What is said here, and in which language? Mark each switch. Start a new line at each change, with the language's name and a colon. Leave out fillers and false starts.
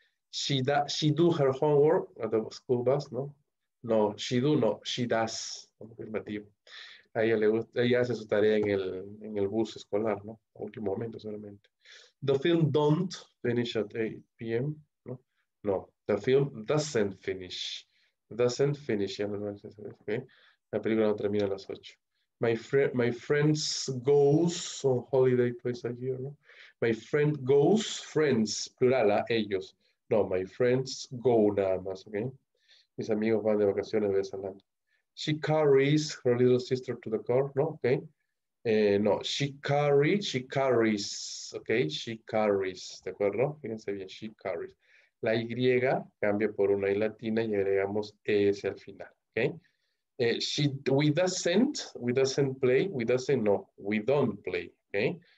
English: She do her homework at the school bus, ¿no? No, she do, no. She does. Afirmativo.
Spanish: A ella le gusta, ella hace su tarea en el bus escolar, ¿no? Último momento solamente.
English: The film don't finish at 8 p.m., ¿no? No, the film doesn't finish, ¿ok?
Spanish: La película no termina a las 8.
English: My friends goes on holiday twice a year, ¿no? My friend goes, friends, plural,
Spanish: a ellos. No,
English: my friends go
Spanish: nada más, ¿ok? Mis amigos van de vacaciones de vez en cuando.
English: She carries her little sister to the car, ¿no? Okay. No, she carries, okay, she carries,
Spanish: ¿de acuerdo? Fíjense bien,
English: she carries.
Spanish: La Y cambia por una I latina y agregamos ES al final, okay.
English: We doesn't play, we doesn't, no, we don't play, okay.